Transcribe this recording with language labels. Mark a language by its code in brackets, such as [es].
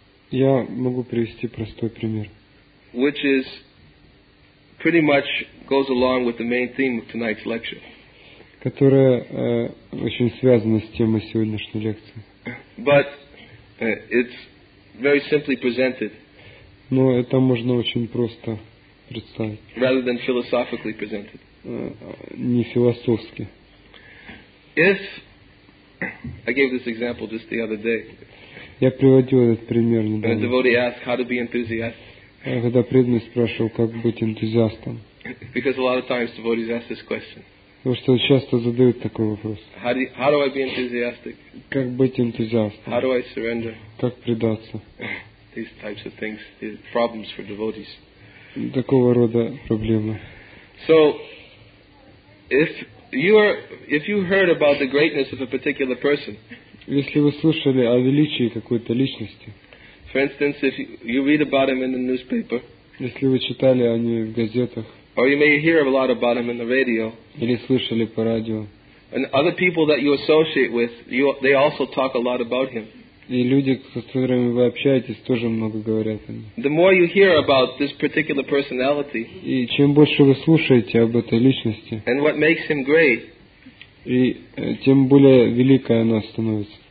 [ru] Я могу привести простой пример. [en] Which is pretty much goes along with the main theme of tonight's lecture. [ru] Которая очень связана с темой сегодняшней лекции. [en] But it's very simply presented. [ru] Но это можно очень просто представить. [en] Rather than philosophically presented. [ru] Не философски. [en] If I gave this example just the other day. [ru] Я приводил этот пример недавно. [en] When a devotee asked how to be enthusiastic. [ru] Когда преданный спрашивал, как быть энтузиастом. [en] Because a lot of times devotees ask this question. [ru] Потому что часто задают такой вопрос. [en] How do I be enthusiastic? [ru] Как быть энтузиастом? [en] How do I surrender? [ru] Как предаться? [en] These types of things, these problems for devotees. [ru] Такого рода проблемы. [en] So, if you heard about the greatness of a particular person. [ru] Если вы слышали о величии какой-то личности. [en] For instance, if you read about him in the newspaper. [ru] Если вы читали о нем в газетах. [en] Or you may hear a lot about him in the radio. [ru] Или слышали по радио. [en] And other people that you associate with, they also talk a lot about him. [ru] И люди, с которыми вы общаетесь, тоже много говорят о нем. [en] The more you hear about this particular personality. [ru] И чем больше вы слушаете об этой личности. [en] And what makes him great. [ru] И тем более великой она становится.